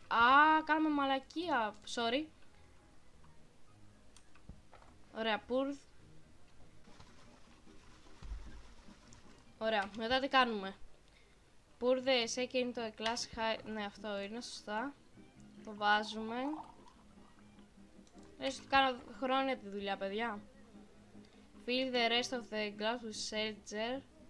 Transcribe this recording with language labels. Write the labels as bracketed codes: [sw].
[el] Α, κάνουμε μαλακία. Sorry. Ωραία, pour. Ωραία, μετά τι κάνουμε? [en] Pour the shake into a glass high. [el] Ναι, αυτό είναι σωστά. Το βάζουμε. Λες ότι κάνω χρόνια τη δουλειά, παιδιά. [en] Fill the rest of the glass with shelter.